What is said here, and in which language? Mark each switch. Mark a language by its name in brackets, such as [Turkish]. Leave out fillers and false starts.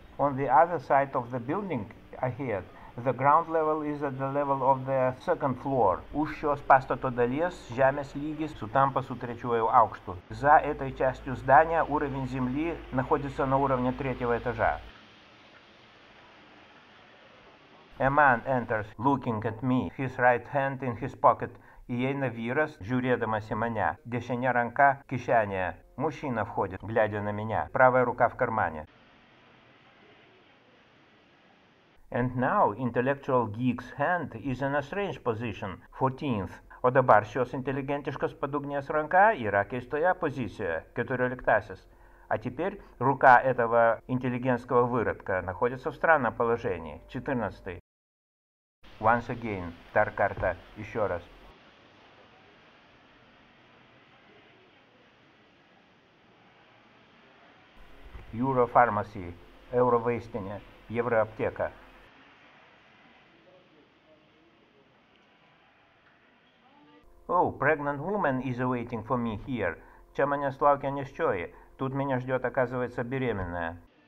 [English] On the other side of the building ahead, the ground level is at the level of the second floor. [Lithuanian] Už šios pastato dalies žemės lygis sutampa su trečiuoju aukštu. [Russian] За этой частью здания уровень земли находится на уровне третьего этажа. [English] A man enters, looking at me, his right hand in his pocket. [Lithuanian] Įeina vyras, žiūrėdamas į mane. Dešinė ranka kišenėje. [Russian] Мужчина входит, глядя на меня. Правая рука в кармане. [English] And now intellectual geek's hand is in a strange position. 14th. [Lithuanian] O dabar šios intelligentiškos padugnės ranka yra keistoje pozicijoje. 14th. [Russian] А теперь рука этого интеллигентского выродка находится в странном положении. [English] 14th. Once again. [Lithuanian] Тар-карта. [Russian] Еще раз. [English] Eurofarmacy, Eurovaistinė, Euroapteka. Oh, pregnant woman is waiting for me here. [Lithuanian] Čia manęs laukia nėščioji. [Russian] Тут меня ждет, оказывается, беременная.